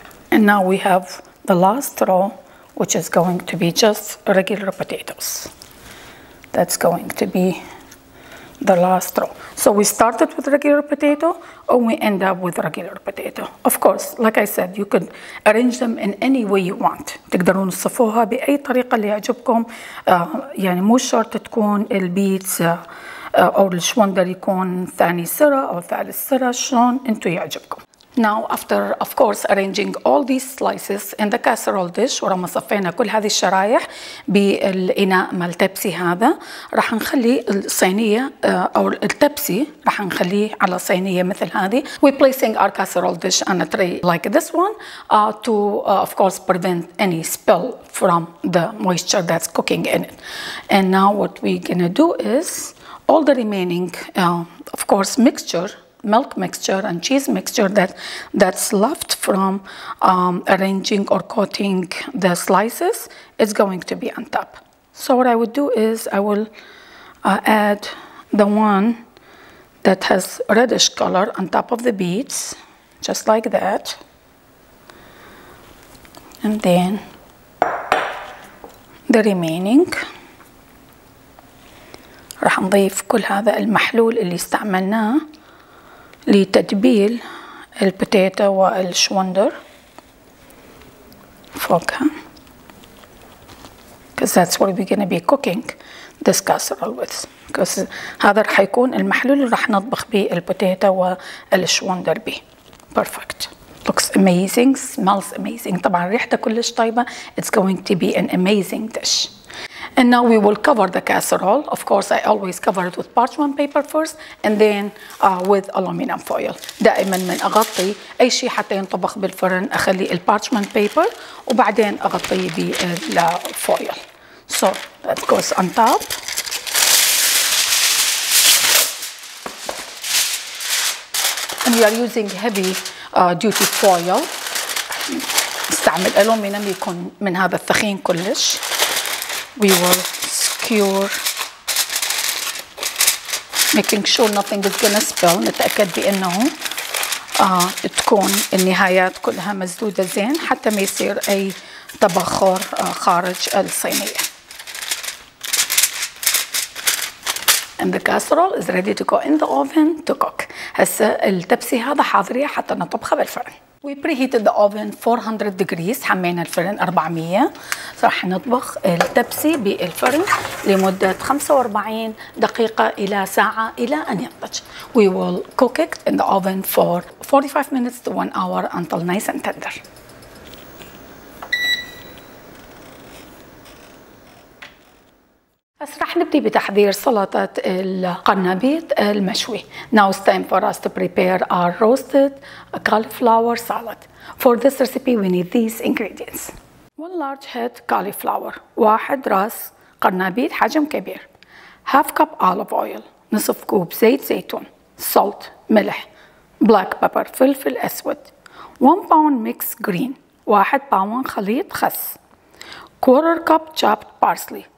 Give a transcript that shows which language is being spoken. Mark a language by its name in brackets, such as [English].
[English] And now we have the last row, which is going to be just regular potatoes. That's going to be the last row. So we started with regular potato and we end up with regular potato. Of course, like I said, you could arrange them in any way you want. [Arabic] تقدرون تصفوها بأي طريقة اللي يعجبكم. يعني مو شرط تكون البيتز أو الشوندر يكون ثاني سرة أو ثالث سرة. شلون انتو يعجبكم. [English] Now, after, of course, arranging all these slices in the casserole dish, [Arabic] ورا ما صفينا كل هذه الشرايح بالإناء مال تبسي هذا, راح نخلي الصينية أو التبسي راح نخليه على صينية مثل هذه. [English] We're placing our casserole dish on a tray like this one to, of course, prevent any spill from the moisture that's cooking in it. And now what we're gonna do is all the remaining, of course, mixture, milk mixture and cheese mixture that's left from arranging or coating the slices is going to be on top. So what I would do is I will add the one that has reddish color on top of the beets, just like that. And then the remaining. [Arabic] راح نضيف كل هذا المحلول اللي استعملناه لتتبيل البوتيتا والشوندر فوقها. [English] Because that's what we're gonna be cooking this casserole with. [Arabic] Because هذا رح يكون المحلول اللي رح نطبخ به البوتيتا والشوندر به. [English] Perfect. Looks amazing. Smells amazing. [Arabic] طبعا ريحته كلش طيبة. [English] It's going to be an amazing dish. And now we will cover the casserole. Of course, I always cover it with parchment paper first and then with aluminum foil. [Arabic] دائما من أغطي أي شيء حتى ينطبخ بالفرن أخلي البارشمنت بيبر وبعدين أغطيه بالفويل. [English] So that goes on top. And we are using heavy duty foil. [Arabic] استعمل الومنيوم يكون من هذا الثخين كلش. [English] We will skewer, making sure nothing is gonna spill. [Arabic] نتأكد بأنه تكون النهايات كلها مسدودة زين حتى ما يصير أي تبخر خارج الصينية. [English] And the casserole is ready to go in the oven to cook. [Arabic] هسا التبسي هذا حاضرية حتى نطبخه بالفرن. [English] We preheated the oven 400 degrees. [Arabic] حمينا الفرن 400. راح نطبخ التبسي بالفرن لمدة 45 دقيقة إلى ساعة إلى أن ينضج. [English] We will cook it in the oven for 45 minutes to 1 hour until nice and tender. [Arabic] بس رح نبدأ بتحضير سلطة القنابيط المشوي. [English] Now it's time for us to prepare our roasted cauliflower salad. For this recipe we need these ingredients. One large head cauliflower. [Arabic] واحد راس قنابيط حجم كبير. [English] Half cup olive oil. [Arabic] نصف كوب زيت زيتون. [English] Salt [Arabic] ملح. [English] Black pepper [Arabic] فلفل أسود. [English] 1 pound mixed green. 1 pound [Arabic] خليط خس. [English] Quarter cup chopped parsley.